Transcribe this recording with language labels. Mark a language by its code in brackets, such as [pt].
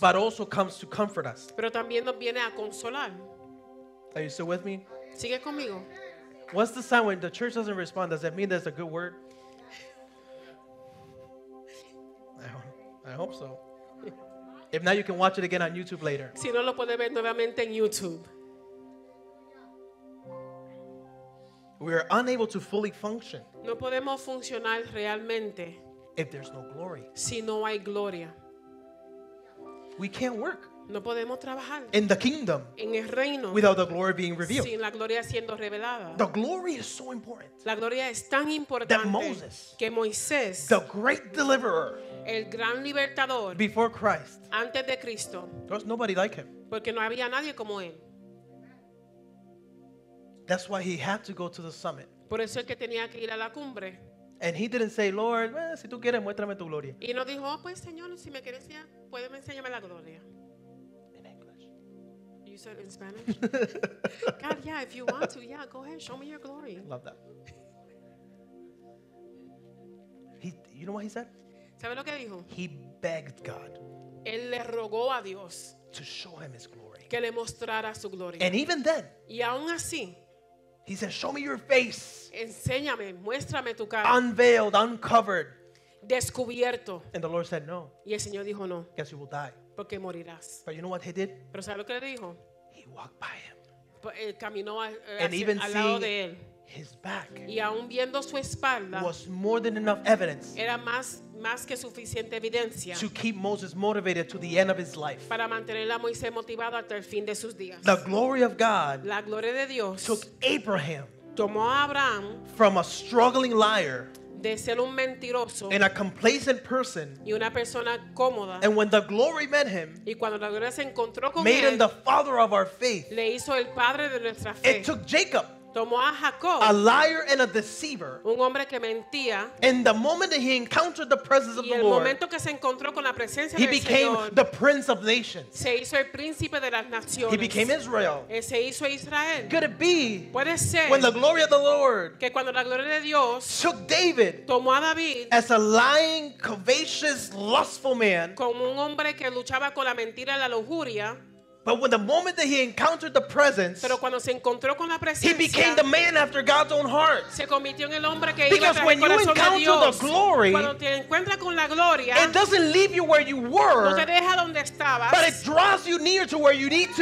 [en] But also comes to comfort us. [es] Pero también nos viene a consolar. [en] Are you still with me? [es] Sigue conmigo. [en] What's the sign when the church doesn't respond? Does that mean there's a good word? I hope so. If not, you can watch it again on YouTube later. [es] Si no, lo puede ver nuevamente en YouTube. [en] We are unable to fully function. [es] No podemos funcionar realmente. [en] If there's no glory. [es] Si no hay gloria. [en] We can't work. [es] No podemos trabajar. [en] In the kingdom. [es] En el reino. [en] Without the glory being revealed. [es] Sin la gloria siendo revelada. [en] The glory is so important. [es] La gloria es tan importante. [en] That Moses. [es] Que Moisés. [en] The great deliverer. [es] el gran libertador, [en] before Christ, [es] antes de Cristo, [en] there was nobody like him. [es] Porque no había nadie como él. [en] That's why he had to go to the summit. [es] Por eso es que tenía que ir a la cumbre. [en] And he didn't say, Lord, [es] si tú quieres, muéstrame tu gloria. Y no dijo, pues, Señor, si me quieres, puedes enseñarme la gloria. [en] In English. You said in Spanish? God, yeah, if you want to, yeah, go ahead, show me your glory. Love that. You know what he said? [es] ¿Sabe lo que dijo? [en] He begged God. [es] Él le rogó a Dios. [en] To show him his glory. [es] Que le mostrara su gloria. [en] And even then. [es] Y aún así. [en] He said, show me your face. [es] Enséñame, muéstrame tu cara. [en] Unveiled, uncovered. [es] Descubierto. [en] And the Lord said, no. [es] Y el Señor dijo, no. [en] Guess you will die. [es] Porque morirás. [en] But you know what he did? [es] Pero ¿sabe lo que le dijo? [en] He walked by him. [es] Él caminó al lado de él. [en] His back. [es] Y aún viendo su espalda. [en] Was more than enough evidence. [es] Era más que suficiente evidencia. [en] To keep Moses motivated to the end of his life. [es] Para mantener a Moisés motivado hasta el fin de sus días. [en] The glory of God. [es] La gloria de Dios. [en] Took Abraham. [es] Tomó a Abraham. [en] From a struggling liar. [es] De ser un mentiroso. [en] And a complacent person. [es] Y una persona cómoda. [en] And when the glory met him. [es] Y cuando la gloria se encontró con él. [en] Made him the father of our faith. [es] Le hizo el padre de nuestra fe. [en] It took Jacob. [es] Tomó a Jacob, [en] a liar and a deceiver, [es] un hombre que mentía, [en] and the moment that he encountered the presence of [es] y el [en] the Lord, [es] momento que se encontró con la presencia [en] he [es] del [en] became [es] Señor, [en] the prince of nations. [es] Se hizo el príncipe de las naciones. [en] He became Israel. [es] Se hizo Israel. [en] Could it be, [es] puede ser, [en] when the glory of the Lord, [es] que cuando la gloria de Dios, [en] took David, [es] tomó a David [en] as a lying, covetous, lustful man, [es] como un hombre que luchaba con la mentira y la lujuria. [en] But when the moment that he encountered the presence, [es] pero cuando se encontró con la presencia, [en] he became the man after God's own heart. [es] Se convirtió en el hombre que [en] because [es] iba [en] when you encounter [es] Dios, [en] the glory, [es] cuando te encuentra con la gloria, [en] it doesn't leave you where you were, [es] no te deja donde estabas, [en] but it draws you near to where you need to